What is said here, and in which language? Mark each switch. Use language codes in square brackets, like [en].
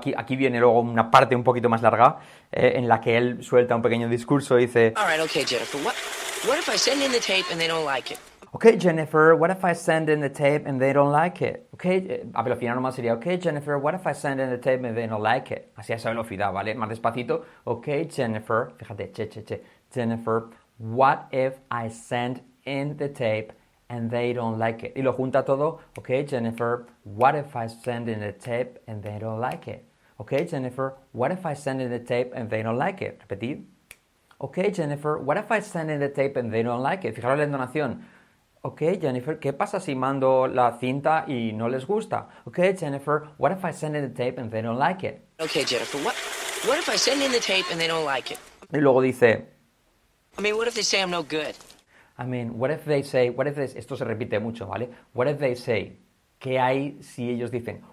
[es] Aquí viene luego una parte un poquito más larga, en la que él suelta un pequeño discurso y dice, [en] all right, okay, Jennifer, what if I send in the tape and they don't like it? Okay, Jennifer, what if I send in the tape and they don't like it? Okay, [es] a velocidad normal sería, [en] okay, Jennifer, what if I send in the tape and they don't like it? [es] Así a esa velocidad, ¿vale? Más despacito. Okay, Jennifer, fíjate, che. [en] Jennifer, what if I send in the tape and they don't like it? [es] Y lo junta todo. [en] Okay, Jennifer, what if I send in the tape and they don't like it? Okay, Jennifer, what if I send in the tape and they don't like it? [es] Repetid. [en] Okay, Jennifer, what if I send in the tape and they don't like it? [es] Fijaros la entonación. Ok, Jennifer, ¿qué pasa si mando la cinta y no les gusta? [en] Ok, Jennifer, what if I send in the tape and they don't like it? Ok, Jennifer, what if I send in the tape and they don't like it? [es] Y luego dice, [en] I mean, what if they say I'm no good? I mean, what if they say, [es] esto se repite mucho, ¿vale? [en] What if they say, [es] ¿qué hay si ellos dicen?